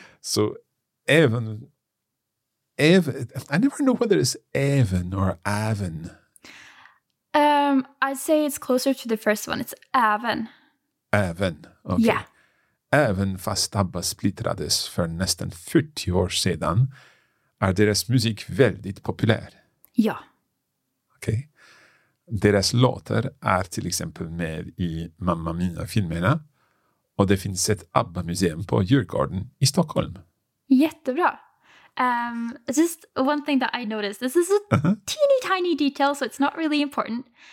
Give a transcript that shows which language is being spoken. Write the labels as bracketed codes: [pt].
[en] So, Evan, I never know whether it's Evan or Avon. I'd say it's closer to the first one. It's Avon. Avon, okay. Yeah. [sv] Även fast ABBA splittrades för nästan 40 år sedan är deras musik väldigt populär. Ja. Okej. Deras låtar är till exempel med i Mamma Mia-filmerna och det finns ett ABBA-museum på Djurgården i Stockholm. Jättebra. [en] Just one thing that I noticed. This is a teeny tiny detail, so it's not really important.